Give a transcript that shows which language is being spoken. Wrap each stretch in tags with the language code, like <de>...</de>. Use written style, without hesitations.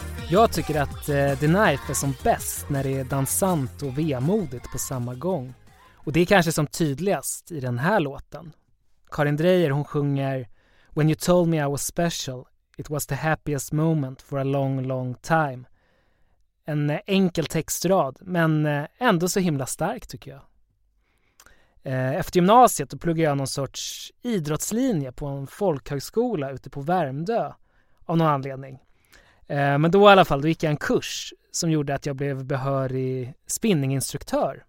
<sv>Jag tycker att The Knife är som bäst när det är dansant och vemodigt på samma gång. Och det är kanske som tydligast i den här låten. Karin Dreijer, hon sjunger</sv> <en>"When you told me I was special, it was the happiest moment for a long, long time."</en> <sv>En enkel textrad, men ändå så himla stark tycker jag. Efter gymnasiet pluggade jag någon sorts idrottslinje på en folkhögskola ute på Värmdö av någon anledning. Men då i alla fall, då gick jag en kurs som gjorde att jag blev behörig spinninginstruktör.</sv>